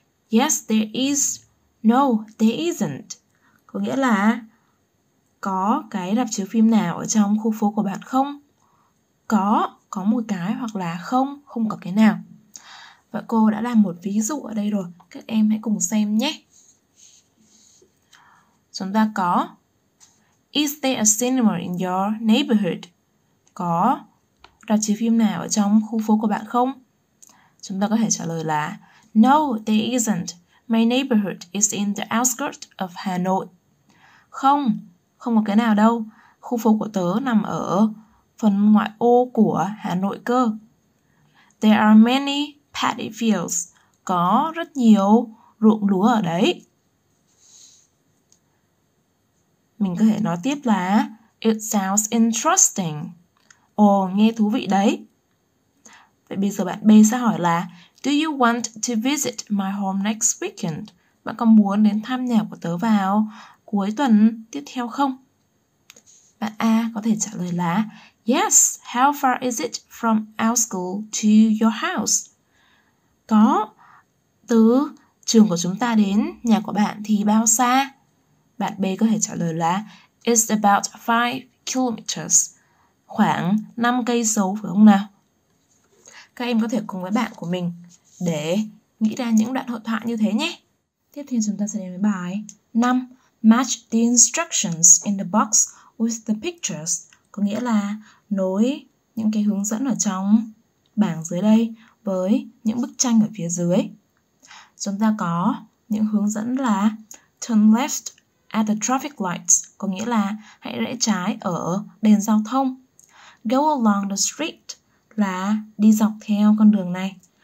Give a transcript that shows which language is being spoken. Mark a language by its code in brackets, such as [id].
[en] Yes, there is. No, there isn't. [vi] Có nghĩa là có cái rạp chiếu phim nào ở trong khu phố của bạn không? Có một cái hoặc là không, không có cái nào. Và cô đã làm một ví dụ ở đây rồi. Các em hãy cùng xem nhé. Chúng ta có [en] Is there a cinema in your neighborhood? [vi] Có rạp chiếu phim nào ở trong khu phố của bạn không? Chúng ta có thể trả lời là [en] No, there isn't. My neighborhood is in the outskirts of Hà Nội. [vi] Không, không có cái nào đâu. Khu phố của tớ nằm ở phần ngoại ô của Hà Nội cơ. [en] There are many paddy fields. [vi] Có rất nhiều ruộng lúa ở đấy. Mình có thể nói tiếp là [en] It sounds interesting. [vi] Ồ, nghe thú vị đấy. Vậy bây giờ bạn B sẽ hỏi là [en] Do you want to visit my home next weekend? [vi] Bạn có muốn đến thăm nhà của tớ vào cuối tuần tiếp theo không? Bạn A có thể trả lời là [en] Yes, how far is it from our school to your house? [vi] Có, từ trường của chúng ta đến nhà của bạn thì bao xa? Bạn B có thể trả lời là [en] It's about 5 kilometers. [vi] Khoảng 5 cây số phải không nào? Các em có thể cùng với bạn của mình để nghĩ ra những đoạn hội thoại như thế nhé. Tiếp theo chúng ta sẽ đến với bài 5. [en] Match the instructions in the box with the pictures. [vi] Có nghĩa là nối những cái hướng dẫn ở trong bảng dưới đây với những bức tranh ở phía dưới. Chúng ta có những hướng dẫn là [en] Turn left at the traffic lights. [vi] Có nghĩa là hãy rẽ trái ở đèn giao thông. [en] Go along the street [vi] là đi dọc theo con đường này.